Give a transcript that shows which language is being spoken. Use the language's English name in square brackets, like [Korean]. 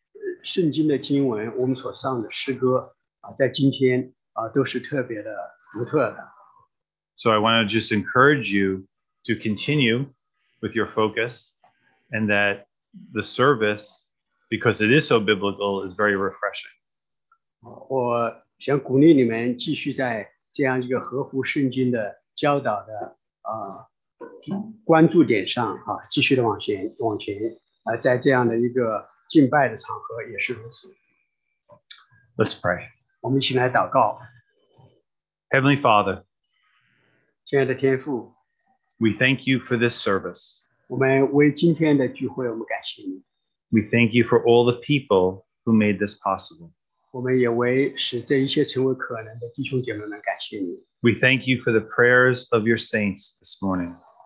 [Chinese] 我们所读的圣经的经文, 我们所上的诗歌, 在今天都是特别的独特的。 [English] So I want to just encourage you to continue with your focus and that the service, because it is so biblical, is very refreshing. [Chinese] 我想鼓励你们继续在这样一个合乎圣经的教导的关注点上继续的往前，在这样的一个敬拜的场合也是如此。 [English] Let's pray. [Chinese] 我们一起来祷告。 [English] Heavenly Father, [Chinese] 亲爱的天父, [English] we thank you for this service. [Chinese] 我们为今天的聚会, 我们感谢你。 [English] We thank you for all the people who made this possible. [Chinese] 我们也为使这一切成为可能的弟兄姐妹们感谢你。 [English] We thank you for the prayers of your saints this morning.